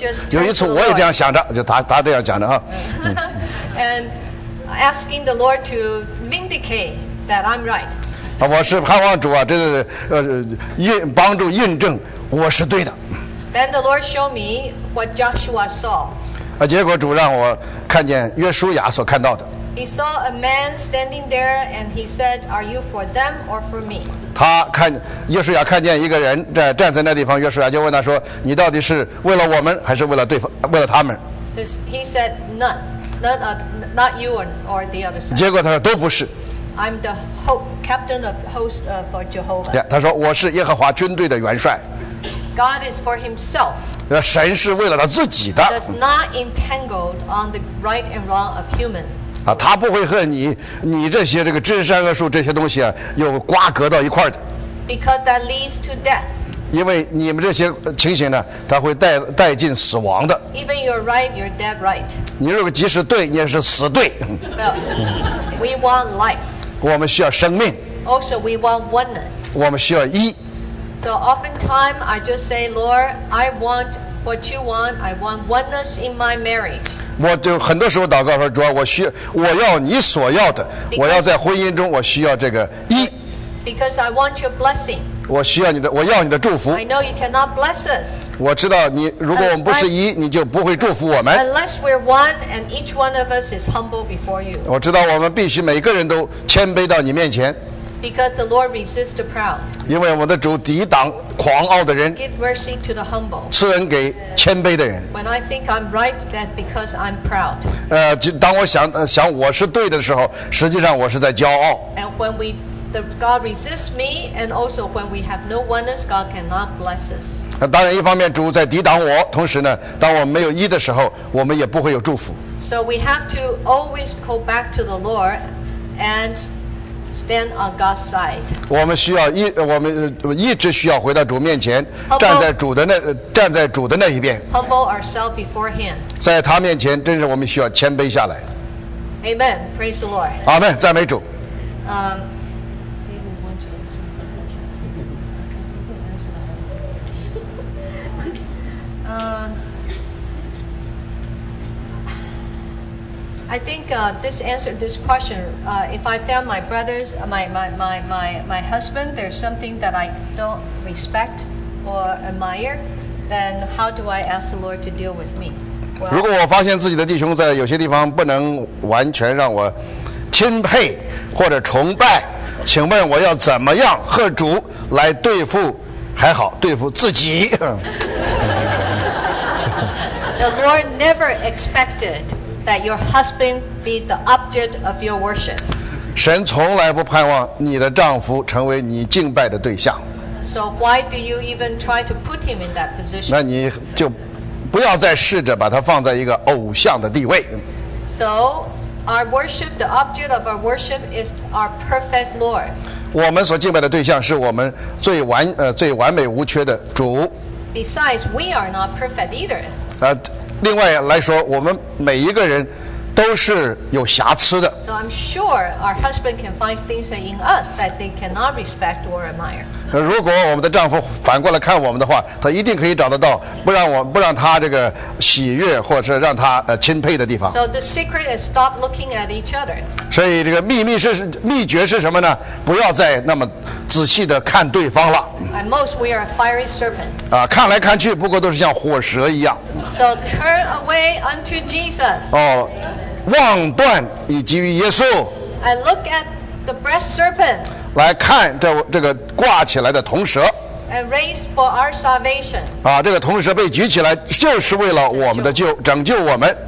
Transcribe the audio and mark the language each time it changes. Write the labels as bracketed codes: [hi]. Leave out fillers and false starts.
[zh] 有一次我也这样想着，就他这样讲的哈。 [en] And asking the Lord to vindicate that I'm right. [zh] 我是盼望主啊，这是帮助印证我是对的。 [en] Then the Lord showed me what Joshua saw. [zh] 结果主让我看见约书亚所看到的。 [en] He saw a man standing there, and he said, "Are you for them or for me?" [zh] 他看约书亚看见一个人站在那地方，约书亚就问他说：“你到底是为了我们，还是为了对方，为了他们？” [en] This, he said, "Not you or the other side." [zh] 结果他说都不是。 [en] I'm the captain of host for Jehovah. [zh] Yeah, 他说我是耶和华军队的元帅。 [en] God is for himself. [zh] 神是为了他自己的。 [en] Does not entangled on the right and wrong of human. [zh] 他不会和你这些这个知识山和树这些东西啊有瓜葛到一块的。 [en] Because that leads to death. [zh] 因为你们这些情形呢，他会带进死亡的。 [en] Even you're right, you're dead right. [zh] 你如果即使对，你也是死对。 [en] But we want life. [zh] 我们需要生命。 [en] Also, we want oneness. [zh] 我们需要一。 [en] So oftentimes I just say, Lord, I want what you want. I want oneness in my marriage. [zh] 我就很多时候祷告说，主啊，我要你所要的，我要在婚姻中，我需要这个一。 [en] Because I want your blessing. [zh] 我需要你的，我要你的祝福。 [en] I know you cannot bless us. [zh] 我知道你，如果我们不是一，你就不会祝福我们。 [en] Unless we're one, and each one of us is humble before you. [zh] 我知道我们必须每个人都谦卑到你面前。 [en] Because the Lord resists the proud. [zh] 因为我们的主抵挡狂傲的人。 [en] Give mercy to the humble. [zh] 赐恩给谦卑的人。 [en] When I think I'm right, that because I'm proud. [zh] 当我想我是对的时候，实际上我是在骄傲。 [en] And when the God resists me, and also when we have no oneness, God cannot bless us. [zh] 当然，一方面主在抵挡我，同时呢，当我们没有一的时候，我们也不会有祝福。 [en] So we have to always go back to the Lord, and. Stand on God's side. [zh] 我们需要我们一直需要回到主面前， [en] humble, [zh] 站在主的那一边。 [en] Humble ourselves before Him. [zh] 在他面前，真是我们需要谦卑下来。 [en] Amen. Praise the Lord. [zh] Amen. 赞美主。 [en] I think this answer, this question, if I found my brothers, my husband, there's something that I don't respect or admire, then how do I ask the Lord to deal with me? Well, [zh] 如果我发现自己的弟兄在有些地方不能完全让我钦佩或者崇拜，请问我要怎么样和主来对付，还好对付自己。 [en] The Lord never expected that your husband be the object of your worship. [zh] 神从来不盼望你的丈夫成为你敬拜的对象。 [en] So why do you even try to put him in that position? [zh] 那你就不要再试着把他放在一个偶像的地位。 [en] So our worship, the object of our worship is our perfect Lord. [zh] 我们所敬拜的对象是我们最完美无缺的主。 [en] Besides, we are not perfect either. [zh] 另外来说，我们每一个人都是有瑕疵的。 [en] So I'm sure our husband can find things in us that they cannot respect or admire. [zh] 如果我们的丈夫反过来看我们的话，他一定可以找得到不让他这个喜悦或者让他钦佩的地方。 [en] So the secret is stop looking at each other. [zh] 所以这个秘诀是什么呢？不要再那么仔细的看对方了。 [en] At most, we are a fiery serpent. [zh] 看来看去，不过都是像火蛇一样。 [en] So turn away unto Jesus. [zh] 望断以及于耶稣。 [en] I look at the brass serpent. [zh] 来看这个挂起来的铜蛇。 [en] And raise for our salvation. [zh] 这个铜蛇被举起来，就是为了我们的救，拯救我们。